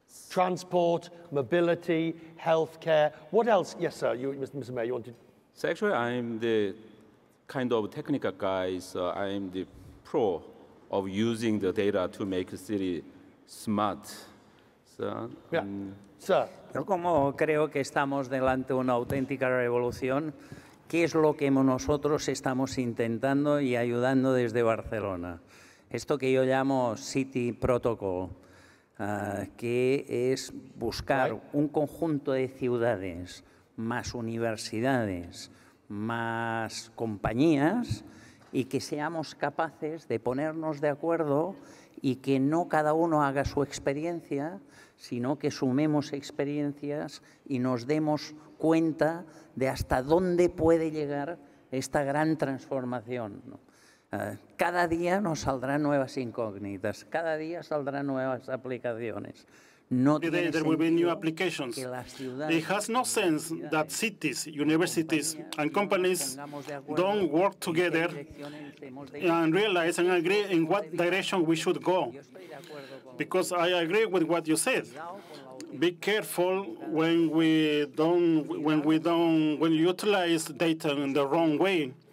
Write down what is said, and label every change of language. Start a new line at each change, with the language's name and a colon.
English: Transport, mobility, healthcare. What else? Yes, sir. You, Mr. Mayor, you wanted. So actually, I'm the kind of technical guy. So I'm the pro of using the data to make a city smart. So. Sir.
Spanish: Yo como creo que estamos delante una auténtica revolución. ¿Qué es lo que nosotros estamos intentando y ayudando desde Barcelona? Esto que yo llamo City Protocol. Que es buscar un conjunto de ciudades, más universidades, más compañías y que seamos capaces de ponernos de acuerdo y que no cada uno haga su experiencia, sino que sumemos experiencias y nos demos cuenta de hasta dónde puede llegar esta gran transformación, ¿no? Cada día nos saldrán nuevas incógnitas, cada día saldrán nuevas aplicaciones.
English: There will be new applications. It has no sense that cities, universities, and companies don't work together and realize and agree in what direction we should go. Because I agree with what you said. Be careful when you utilize data in the wrong way.